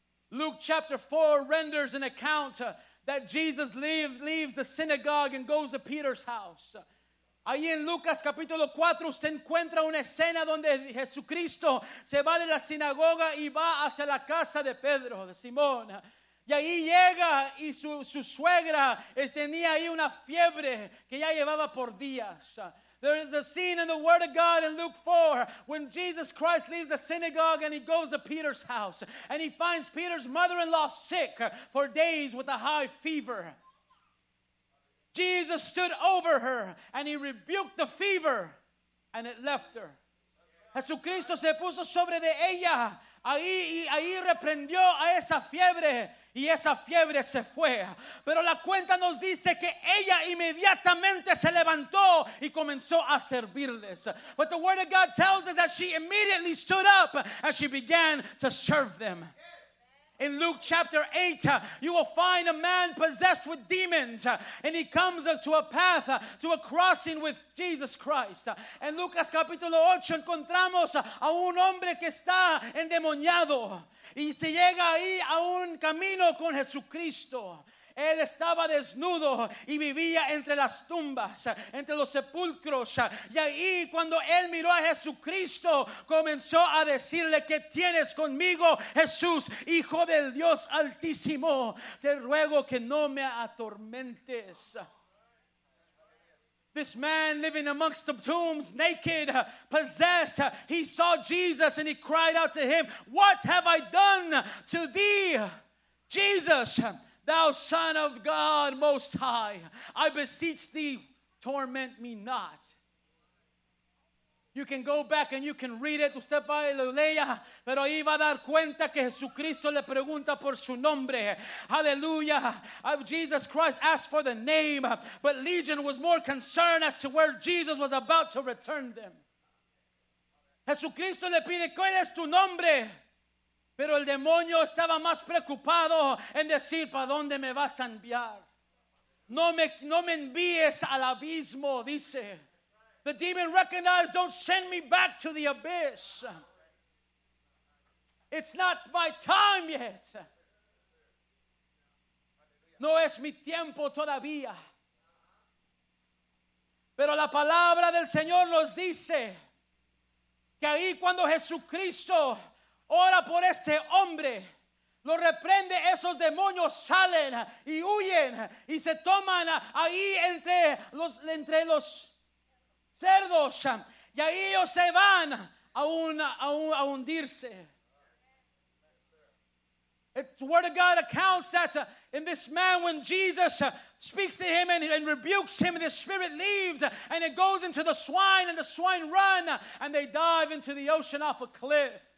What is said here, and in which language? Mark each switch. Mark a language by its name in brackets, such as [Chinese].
[English] Luke chapter 4 renders an account that Jesus leaves the synagogue and goes to Peter's house. [Spanish] Ahí en Lucas capítulo 4 usted encuentra una escena donde Jesucristo se va de la sinagoga y va hacia la casa de Pedro, de Simón. Y ahí llega y su suegra tenía ahí una fiebre que ya llevaba por días. [English] There is a scene in the Word of God in Luke 4 when Jesus Christ leaves the synagogue and He goes to Peter's house. And He finds Peter's mother-in-law sick for days with a high fever. Jesus stood over her and He rebuked the fever and it left her. [Spanish] Jesucristo se puso sobre de ella, ahí reprendió a esa fiebre y esa fiebre se fue. Pero la cuenta nos dice que ella inmediatamente se levantó y comenzó a servirles. [English] But the Word of God tells us that she immediately stood up and she began to serve them. In Luke chapter 8, you will find a man possessed with demons, and he comes to a path, to a crossing with Jesus Christ. [Spanish] En Lucas capítulo 8 encontramos a un hombre que está endemoniado, y se llega ahí a un camino con Jesucristo. Él estaba desnudo y vivía entre las tumbas, entre los sepulcros. Y ahí cuando él miró a Jesucristo, comenzó a decirle, ¿qué tienes conmigo, Jesús, Hijo del Dios Altísimo? Te ruego que no me atormentes. [English] This man living amongst the tombs, naked, possessed, he saw Jesus and he cried out to him, what have I done to thee, Jesus? Thou Son of God Most High, I beseech thee, torment me not. You can go back and you can read it. [Spanish] Usted va y lo lea, pero iba a dar cuenta que Jesucristo le pregunta por su nombre. [English] Hallelujah. Jesus Christ asked for the name, but Legion was more concerned as to where Jesus was about to return them. [Spanish] Jesucristo le pide, ¿cuál es tu nombre? Pero el demonio estaba más preocupado en decir, ¿para dónde me vas a enviar? No me envíes al abismo, dice. [English] The demon recognized, don't send me back to the abyss. It's not my time yet. [Spanish] No es mi tiempo todavía. Pero la palabra del Señor nos dice que ahí cuando Jesucristo ora por este hombre, lo reprende, esos demonios salen y huyen y se toman ahí entre los cerdos, y ahí ellos se van a hundirse. [English] The word of God accounts that in this man, when Jesus speaks to him and rebukes him, the spirit leaves and it goes into the swine, and the swine run and they dive into the ocean off a cliff.